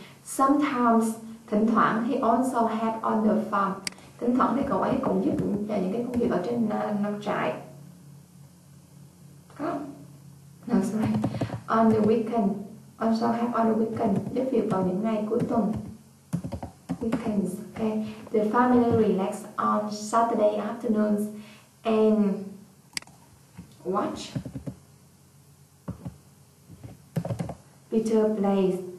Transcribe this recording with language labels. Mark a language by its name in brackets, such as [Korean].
[English] Sometimes, [Vietnamese] thỉnh thoảng, [English] he also help on the farm. [Vietnamese] Thỉnh thoảng thì cậu ấy cũng giúp những cái công việc ở trên nông trại. [English] No, sorry. On the weekend, also help on the weekend, [Vietnamese] giúp việc vào những ngày cuối tuần. [English] Weekends, okay. The family relax on Saturday afternoons and watch Peter plays.